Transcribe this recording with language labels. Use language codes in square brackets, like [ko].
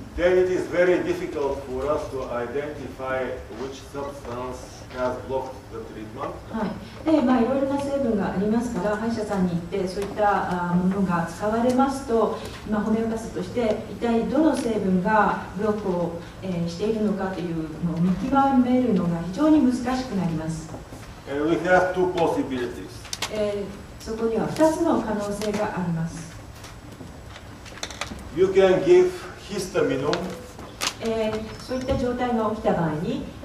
[en] Then it is very difficult for us to identify which substance has blocked the treatment. [ja] はい。で、まあ、いろいろな成分がありますから、歯医者さんに行ってそういったものが使われますと、まあ、ホメオパスとして一体どの成分がブロックを、しているのかというのを見極めるのが非常に難しくなります。 [en] And we have two possibilities. [ja] そこには2つの可能性があります。 [en] You can give histamine. [ja] そういった状態が起きた場合に、